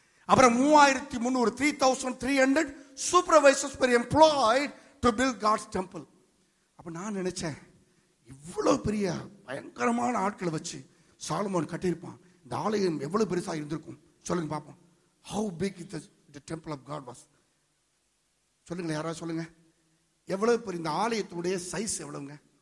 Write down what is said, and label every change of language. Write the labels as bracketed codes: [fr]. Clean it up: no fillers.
[ta] அப்புறம் [en] 3300 3300 supervisors were employed to build God's temple. [ta] அப்ப நான் நினைச்சேன் இவ்வளவு பெரிய பயங்கரமான ஆட்களை வச்சு சாலமோன் கட்டியிருப்பான், இந்த ஆலயம் எவ்வளவு பெருசா இருந்திருக்கும் சொல்லுங்க பார்ப்போம். [en] How big is the temple of God was? [ta] சொல்லுங்க யாராவது சொல்லுங்க எவ்வளவு பெரிய இந்த ஆலயத்தினுடைய சைஸ் எவ்வளவுங்க?